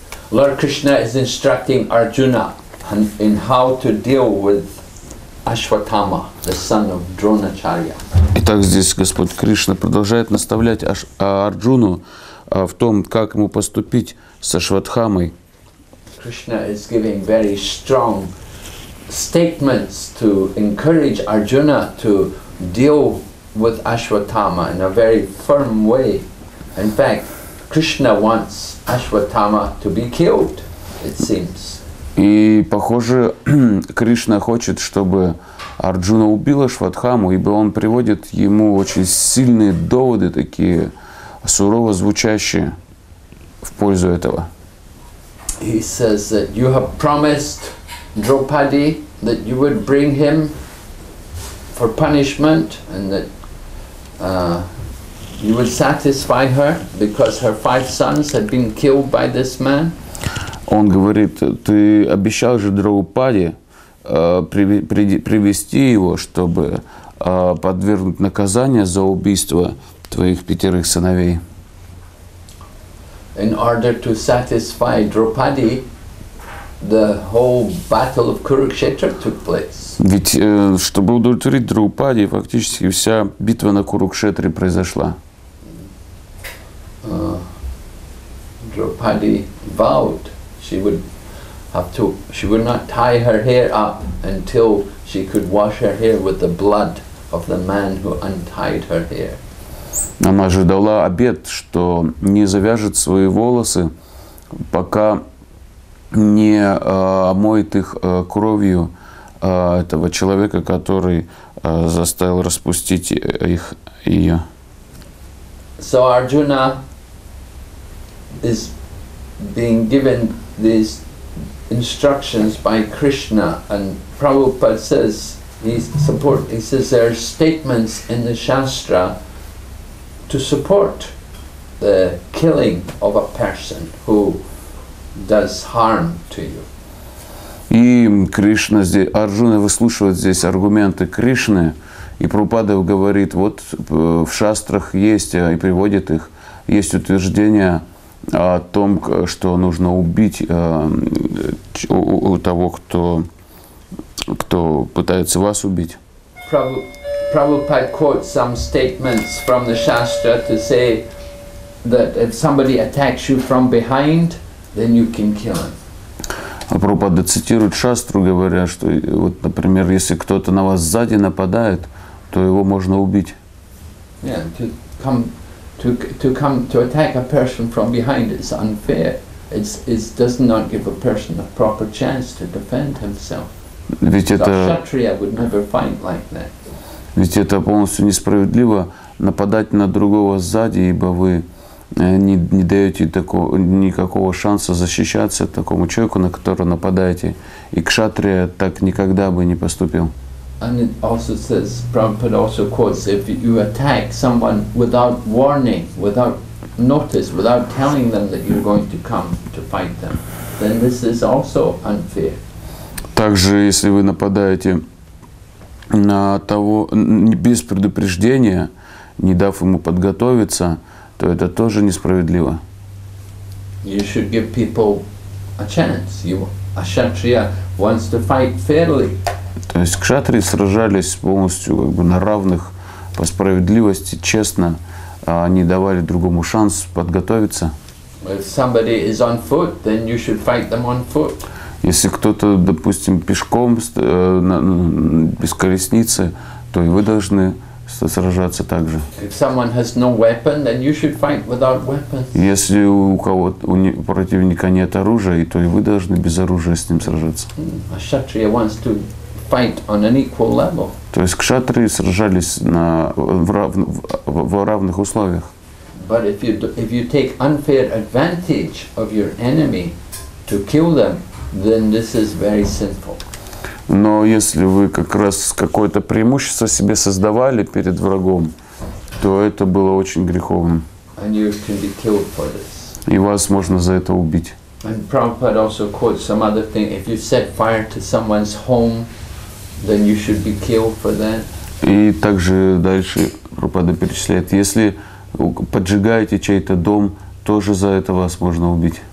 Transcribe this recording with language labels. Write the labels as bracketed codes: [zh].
[en] Lord Krishna is instructing Arjuna in how to deal with Ashwatthama, the son of Dronacharya. [ru] Итак, здесь Господь Кришна продолжает наставлять Арджуну в том, как ему поступить с Ашватхамой. [en] Krishna is giving very strong statements to encourage Arjuna to deal with Ashwatthama in a very firm way. In fact, Krishna wants Ashwatthama to be killed, it seems. [ru] И похоже, Кришна хочет, чтобы Арджуна убил Ашватхаму, ибо он приводит ему очень сильные доводы, такие сурово звучащие в пользу этого. [en] He says that you have promised Draupadi that you would bring him for punishment and that you would satisfy her because her 5 sons had been killed by this man. [ru] Он говорит, ты обещал же Драупаде привести его, чтобы подвергнуть наказание за убийство твоих 5 сыновей. [en] In order to satisfy Draupadi, the whole battle of Kurukshetra took place. [ru] Ведь чтобы удовлетворить Драупаде, фактически вся битва на Курукшетре произошла. [en] Draupadi vowed she would not tie her hair up until she could wash her hair with the blood of the man who untied her hair. [ru] Она же дала обет, что не завяжет свои волосы, пока не омоет их кровью этого человека, который заставил распустить их ее. [en] So Arjuna is being given these instructions by Krishna, and Prabhupada says he says there are statements in the Shastra to support the killing of a person who does harm to you. [ru] И Кришна здесь, Арджуна выслушивает здесь аргументы Кришны, и Прабхупада говорит, вот в Шастрах есть, и приводит их, есть утверждение о том, что нужно убить того, кто пытается вас убить. [en] Prabhupada quotes some statements from the Shastra to say that if somebody attacks you from behind, then you can kill him. [ru] Прабхупада цитирует Шастру, говоря, что, вот, например, если кто-то на вас сзади нападает, то его можно убить. [en] Yeah, to attack a person from behind is unfair. It does not give a person a proper chance to defend himself. [ru] Ведь это... [en] Kshatriya would never fight like that. [ru] Ведь это полностью несправедливо нападать на другого сзади, ибо вы не даете никакого шанса защищаться такому человеку, на которого нападаете. И кшатрия так никогда бы не поступил. [en] And it also says, Prabhupada also quotes, if you attack someone without warning, without notice, without telling them that you're going to come to fight them, then this is also unfair. [ru] Также, если вы нападаете на того без предупреждения, не дав ему подготовиться, то это тоже несправедливо. [en] You should give people a chance. A kshatriya wants to fight fairly. [ru] То есть кшатрии сражались полностью как бы на равных, по справедливости, честно, не давали другому шанс подготовиться. [en] If somebody is on foot, then you should fight them on foot. [ru] Если кто-то, допустим, пешком, без колесницы, то и вы должны сражаться так же. [en] If someone has no weapon, then you should fight without weapons. [ru] Если у кого-то, у противника нет оружия, то и вы должны без оружия с ним сражаться. [en] A kshatriya wants to fight on an equal level. [ru] То есть кшатрии сражались в равных условиях. [en] But if you take unfair advantage of your enemy to kill them, then this is very sinful. [ru] Но если вы как раз какое-то преимущество себе создавали перед врагом, то это было очень греховным. [en] And you can be killed for this. [ru] И вас можно за это убить. [en] And Prabhupada also quotes some other thing. If you set fire to someone's home, then you should be killed for that. [ru] И также дальше Прабхупада перечисляет, если поджигаете чей-то дом, тоже за это вас можно убить.